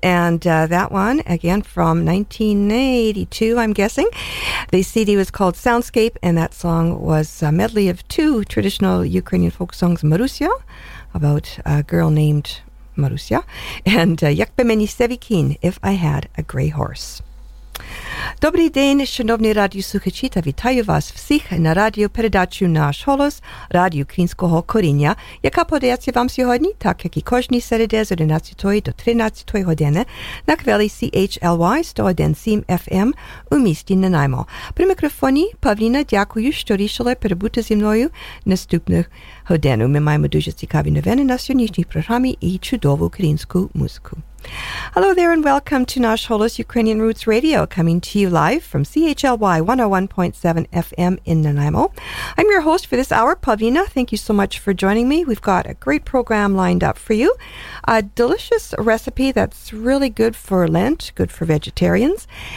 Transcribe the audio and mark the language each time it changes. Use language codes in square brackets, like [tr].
[en] And that one, again, from 1982, I'm guessing. The CD was called Soundscape, and that song was a medley of two traditional Ukrainian folk songs, Marusya, about a girl named Marusya, and Jak by meni sevikin, If I Had a Grey Horse. [uk] Добрий день, шановні радіослухачі, та вітаю вас всіх на радіопередачі «Наш голос» Радіо Українського коріння, яка подається вам сьогодні, так як і кожні середи з 11 до 13 години на хвилі CHLY 101.7 FM у місті Нанаймо. При мікрофоні Павліна, дякую, що рішили перебути зі мною наступну годину. Ми маємо дуже цікаві новини на сьогоднішній програмі і чудову українську музику. [en] Hello there and welcome to Nash Holos Ukrainian Roots Radio, coming to you live from CHLY 101.7 FM in Nanaimo. I'm your host for this hour, Pavlina. Thank you so much for joining me. We've got a great program lined up for you. A delicious recipe that's really good for Lent, good for vegetarians.